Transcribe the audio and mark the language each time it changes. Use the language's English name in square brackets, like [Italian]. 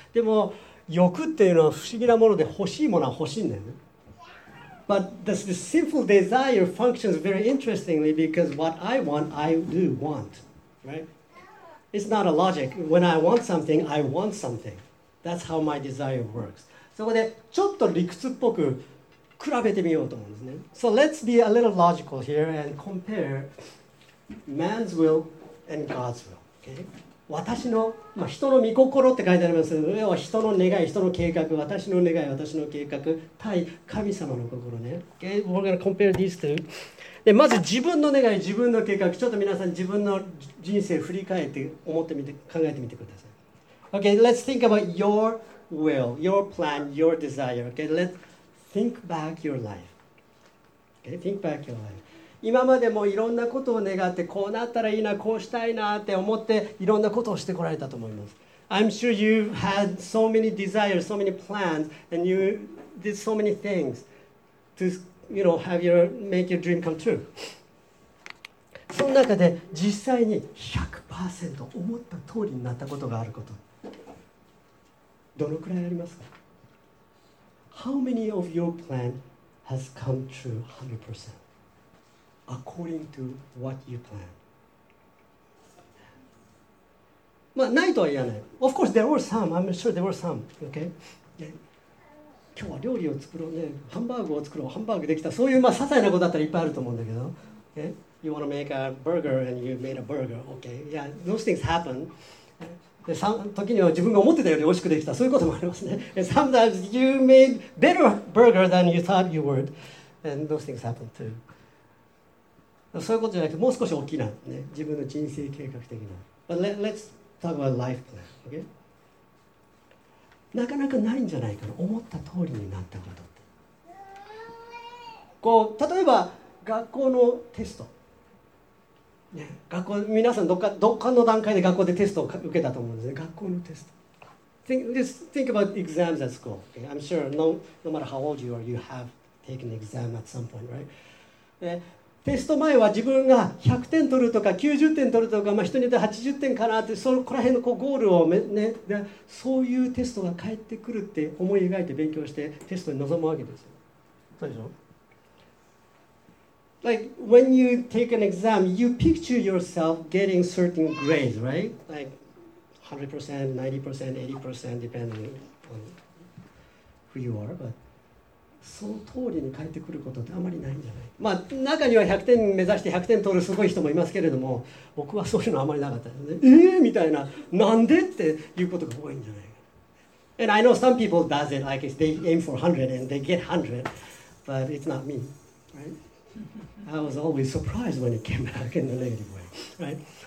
[Japanese] でも欲っていうのは不思議なもので欲しいものは欲しいんだよね。 [English] But the sinful desire functions very interestingly because what I want, I do want, right? It's not a logic. When I want something, I want something. That's how my desire works. [Japanese] そこでちょっと理屈っぽく比べてみようと思うんですね。 [English] So let's be a little logical here and compare man's will and God's will. Okay? [Japanese] 私の、まあ、人の御心って書いてありますけど、要は人の願い、人の計画、私の願い、私の計画対神様の心ね。 [English] Okay? We're going to compare these two. [Japanese] で、まず自分の願い、自分の計画、ちょっと皆さん自分の人生振り返って思ってみて、考えてみてください。 [English] Okay, let's think about your will, your plan, your desire. Okay, let's think back your life. Okay, think back your life. [Japanese] 今までもいろんなことを願ってこうなったらいいな、こうしたいなって思っていろんなことをしてこられたと思います。 [English] I'm sure you've had so many desires, so many plans, and you did so many things to, you know, have your, make your dream come true. [Japanese] その中で実際に 100% 思った通りになったことがあること。どのくらいありますか? [English] How many of your plan has come true 100%? According to what you plan. [Japanese] まあ、ないとは言わない。 [English] Of course, there were some. I'm sure there were some. Okay? [Japanese] 今日は料理を作ろうね。ハンバーグを作ろう。ハンバーグできた。そういうまあ些細なことだったらいっぱいあると思うんだけど。 [English] Okay? You want to make a burger and you made a burger. Okay? Yeah, those things happen. [Japanese] で時には自分が思ってたより美味しくできた、そういうこともありますね。 [English] Sometimes you made better burger than you thought you would, and those things happen too. [Japanese] そういうことじゃなくて、もう少し大きな、ね、自分の人生計画的な。 [English] But let's talk about life plan, okay? [Japanese] なかなかないんじゃないかな、思った通りになったことって。こう例えば学校のテスト。学校皆さんどっかの段階で学校でテストを受けたと思うんですね。学校のテスト。 [English] Just think about exams at school. Okay? I'm sure no matter how old you are, you have taken an exam at some point, right? [Japanese] テスト前は自分が100点取るとか90点取るとか、まあ、人によって80点かなって、そこら辺のこうゴールを、ね、でそういうテストが返ってくるって思い描いて勉強してテストに臨むわけですよ。そうでしょ。 [English] Like when you take an exam, you picture yourself getting certain grades, right? Like 100%, 90%, 80%, depending on who you are. But [Japanese] その通りに返ってくることってあまりないんじゃない。まあ中には100点目指して100点取るすごい人もいますけれども、僕はそういうのあまりなかったですね。みたいな、なんでっていうことが多いんじゃない。 [English] And I know some people does it, like they aim for 100 and they get 100, but it's not me, right? I was always surprised when it came back in the negative way, right?